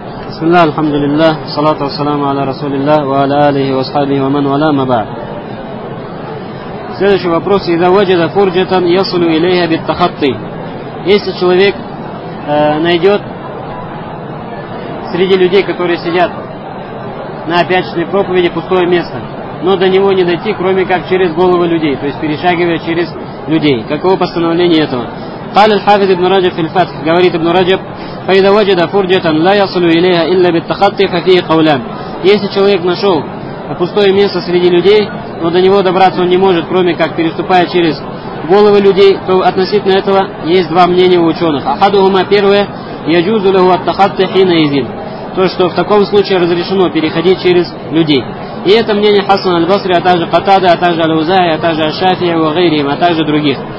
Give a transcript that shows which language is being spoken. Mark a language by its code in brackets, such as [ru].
[ar] بسم الله الحمد لله والصلاة والسلام على رسول الله وعلى آله وصحبه ومن ولا ما بعد. [ru] Следующий вопрос. [ar] إذا وجد فرجة يصل إليها بالتخطي. [ru] Если человек найдет среди людей, которые сидят на пятничной проповеди, пустое место, но до него не дойти, кроме как через головы людей, то есть перешагивая через людей. Каково постановление этого? [ar] قال الحافظ ابن رجب في الفتح. [ru] Говорит [ar] ابن رجب: فإذا وجد فرجة لا يصل إليها إلا بالتخطي ففيه قولان. [ru] Если человек нашел пустое место среди людей, но до него добраться он не может, кроме как переступая через головы людей, то относительно этого есть два мнения у ученых. [ar] Ахадухума, [ru] первое, [ar] яджузу лаху ат-тахатти хина изин. [ru] То, что в таком случае разрешено переходить через людей. И это мнение Хасан аль-Басри, а также Катады, а также аль-Узаи, а также аш-Шафии [ar] ва гайрихим, [ru] а также других.